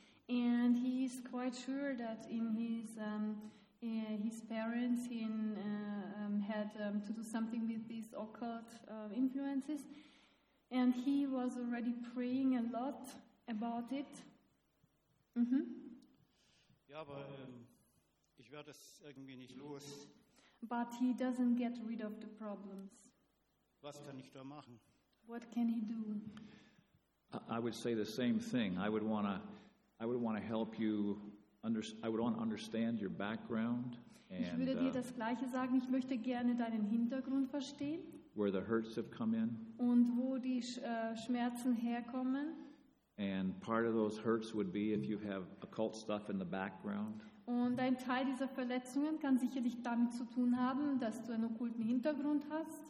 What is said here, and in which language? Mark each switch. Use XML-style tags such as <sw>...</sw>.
<en>And he is quite sure that in his parents had to do something with these occult influences, and he was already praying a lot about it.</en> <de>Ja, aber ich werde es irgendwie nicht los.</de> <en>But he doesn't get rid of the problems.</en> <de>Was kann ich da machen?</de> <en>What can he do? I would say the same thing. I would want to help you I would want to understand your background and</en> <de>ich würde dir das gleiche sagen. Ich möchte gerne deinen Hintergrund verstehen.</de> <en>Where the hurts have come in.</en> <de>Und wo die Schmerzen herkommen.</de> <en>And part of those hurts would be if you have occult stuff in the background.</en> <de>Und ein Teil dieser Verletzungen kann sicherlich damit zu tun haben, dass du einen okkulten Hintergrund hast.</de>